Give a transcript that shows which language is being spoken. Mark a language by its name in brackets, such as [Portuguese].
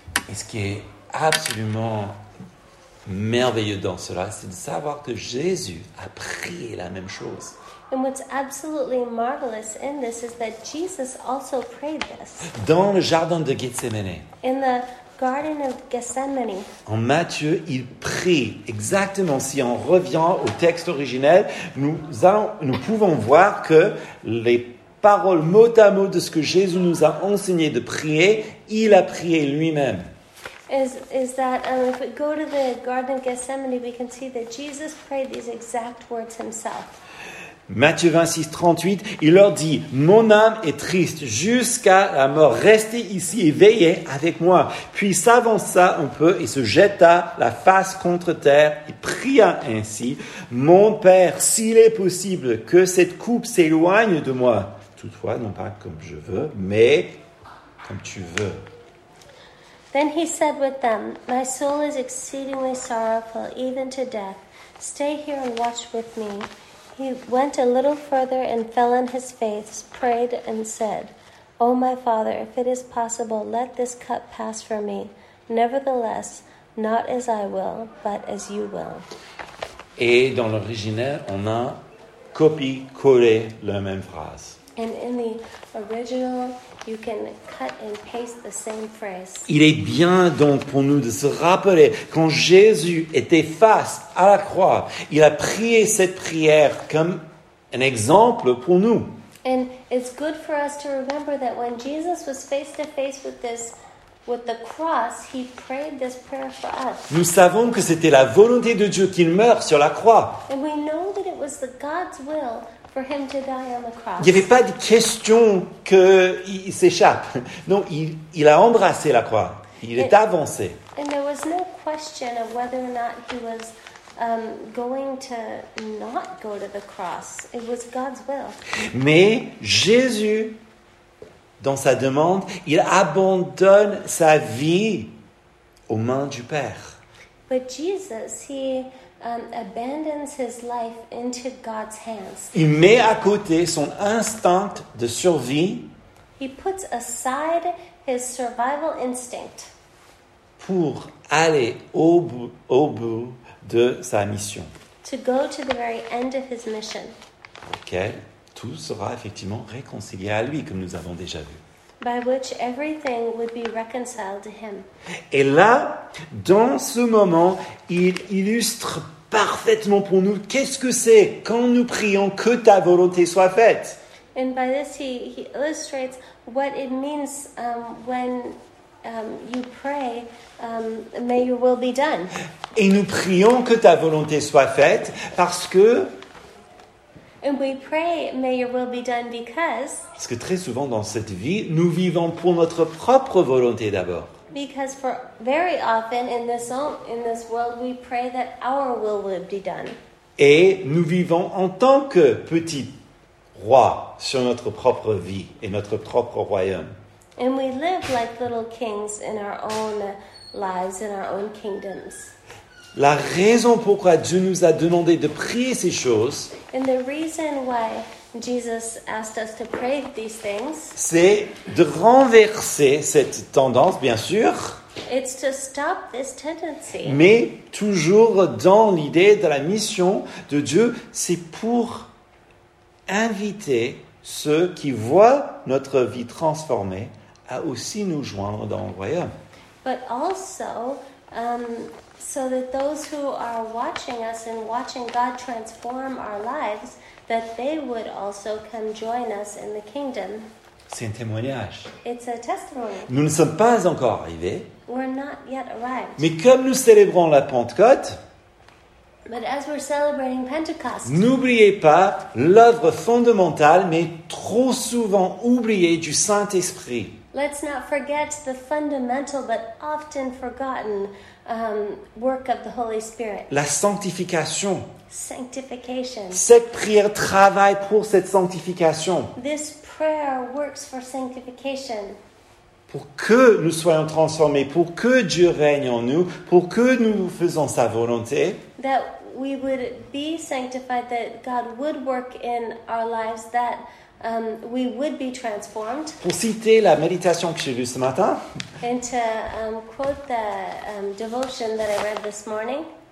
[French] Et ce qui est absolument merveilleux dans cela, c'est de savoir que Jésus a prié la même chose. [English] And what's absolutely marvelous in this is that Jesus also prayed this. [French] Dans le jardin de Gethsémané. [English] In the garden of Gethsemane. [French] En Matthieu, il prie exactement. Si on revient au texte originel, nous pouvons voir que les paroles mot à mot de ce que Jésus nous a enseigné de prier, il a prié lui-même. [English] Is that if we go to the Garden of Gethsemane, we can see that Jesus prayed these exact words himself. [French] Matthieu 26, 38, il leur dit, « Mon âme est triste jusqu'à la mort. Restez ici et veillez avec moi. » Puis s'avança un peu et se jeta la face contre terre et pria ainsi, « Mon Père, s'il est possible que cette coupe s'éloigne de moi, toutefois, non pas comme je veux, mais comme tu veux. » [English] Then he said with them, « My soul is exceedingly sorrowful, even to death. Stay here and watch with me. » He went a little further and fell on his face, prayed and said, O my Father, if it is possible, let this cup pass from me. Nevertheless, not as I will, but as you will. [French] Et dans l'original, on a copié-collé la même phrase. [English] And in the original, you can cut and paste the same phrase. [French] Il est bien donc pour nous de se rappeler quand Jésus était face à la croix, il a prié cette prière comme un exemple pour nous. [English] And it's good for us to remember that when Jesus was face to face with this, with the cross, he prayed this prayer for us. [French] Nous savons que c'était la volonté de Dieu qu'il meure sur la croix. [English] And we know that it was the God's will. For him to die on the cross. [French] Il n'y avait pas de question qu'il s'échappe. Non, il a embrassé la croix. Il est avancé. [English] And there was no question of whether or not he was going to not go to the cross. It was God's will. [French] Mais Jésus, dans sa demande, il abandonne sa vie aux mains du Père. [English] But Jesus, he abandons his life into God's hands. [French] Il met à côté son instinct de survie. [English] He puts aside his survival instinct. [French] Pour aller au bout de sa mission. [English] To go to the very end of his mission. [French] Auquel tout sera effectivement réconcilié à lui, comme nous avons déjà vu. [English] By which everything would be reconciled to him. [French] Et là, dans ce moment, il illustre parfaitement pour nous, qu'est-ce que c'est quand nous prions que ta volonté soit faite? [English] And by this he illustrates what it means you pray, may your will be done. [French] Et nous prions que ta volonté soit faite parce que. [English] And we pray, may your will be done because. [French] Parce que très souvent dans cette vie, nous vivons pour notre propre volonté d'abord. [English] Because for very often in this world we pray that our will be done. [French] Et nous vivons en tant que petit roi sur notre propre vie et notre propre royaume. [English] And we live like little kings in our own lives, in our own kingdoms. [French] La raison pourquoi Dieu nous a demandé de prier ces choses. [English] And the reason why Jesus asked us to pray these things. [French] C'est de renverser cette tendance, bien sûr. [English] It's to stop this tendency. [French] Mais toujours dans l'idée de la mission de Dieu, c'est pour inviter ceux qui voient notre vie transformée à aussi nous joindre dans le royaume. [English] But also, so that those who are watching us and watching God transform our lives, that they would also come join us in the kingdom. [French] C'est un témoignage. [English] It's a testimony. [French] Nous ne sommes pas encore arrivés. [English] We're not yet arrived. [French] Mais comme nous célébrons la Pentecôte, [English] But as we're celebrating Pentecost, [French] n'oubliez pas l'œuvre fondamentale, mais trop souvent oubliée, du Saint-Esprit. [English] Let's not forget the fundamental but often forgotten work of the Holy Spirit. [French] La sanctification. [English] Sanctification. [French] Cette prière travaille pour cette sanctification. [English] This prayer works for sanctification. [French] Pour que nous soyons transformés, pour que Dieu règne en nous, pour que nous faisons sa volonté. [English] That we would be sanctified, that God would work in our lives, that we would be transformed. [French] Pour citer la méditation que j'ai lue ce matin. [English] And to quote the devotion that I read this morning.